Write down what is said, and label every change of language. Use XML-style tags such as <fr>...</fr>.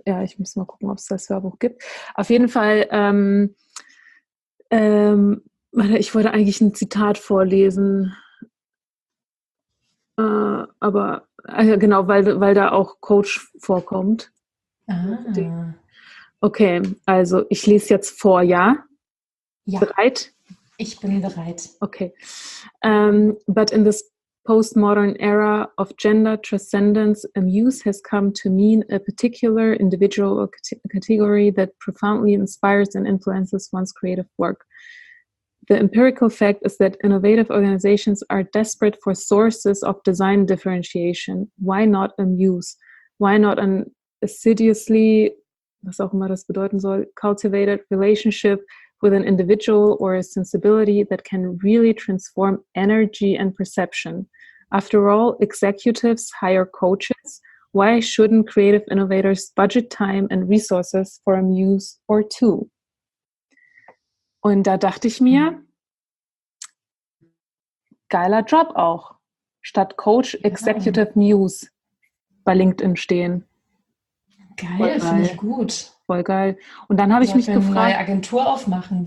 <de>Ja, ich muss mal gucken, ob es das Hörbuch gibt. Auf jeden Fall, ich wollte eigentlich ein Zitat vorlesen. Aber genau, weil da auch Coach vorkommt. Okay, also ich lese jetzt vor, ja? Ja. Bereit? Ich bin bereit. Okay.</de> <en>But in this postmodern era of gender transcendence, a muse has come to mean a particular individual or category that profoundly inspires and influences one's creative work. The empirical fact is that innovative organizations are desperate for sources of design differentiation. Why not a muse? Why not an assiduously,</en> <de>was auch immer das bedeuten soll,</de> <en>cultivated relationship with an individual or a sensibility that can really transform energy and perception? After all, executives hire coaches. Why shouldn't creative innovators budget time and resources for a muse or two?</en> <de>Und da dachte ich mir, geiler Job auch, statt Coach Executive Muse bei LinkedIn stehen. Geil, finde ich gut. Voll geil. Und dann habe ich mich gefragt. Wir eine Agentur aufmachen.</de>